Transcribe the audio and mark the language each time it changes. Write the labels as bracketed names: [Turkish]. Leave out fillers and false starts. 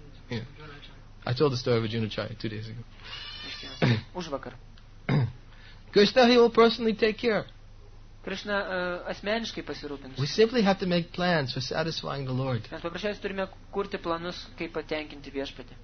[English] Yeah. I told the story of Ajunachaya 2 days ago. [Lithuanian] Užvakar. [English] Krishna, he will personally take care. [Lithuanian] Krishna asmeniškai pasirūpins. [English] We simply have to make plans for satisfying the Lord. [Lithuanian] Mes paprasčiausiai turime kurti planus, kaip patenkinti viešpatį.